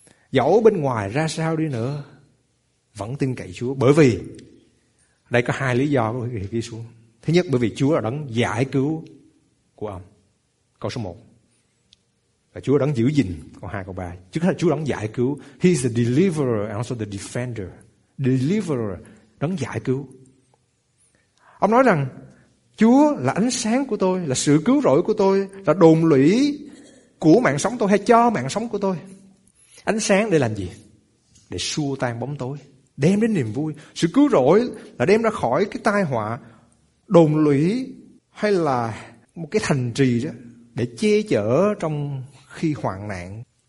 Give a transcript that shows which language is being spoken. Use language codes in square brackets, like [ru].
[vi] Dẫu bên ngoài ra sao đi nữa, vẫn tin cậy Chúa. Bởi vì đây có 2 lý do của quý vị ghi xuống. Thứ nhất, bởi vì Chúa là đấng giải cứu của ông. Câu số 1. là Chúa đấng giữ gìn, còn 2 câu 3 trước hết là Chúa đấng giải cứu. [en] He is the deliverer and also the defender. [vi] Deliverer, đấng giải cứu. Ông nói rằng Chúa là ánh sáng của tôi, là sự cứu rỗi của tôi, là đồn lũy của mạng sống tôi hay cho mạng sống của tôi. Ánh sáng để làm gì? Để xua tan bóng tối, đem đến niềm vui. Sự cứu rỗi là đem ra khỏi cái tai họa đồn lũy hay là một cái thành trì đó, để che chở trong khi hoạn nạn.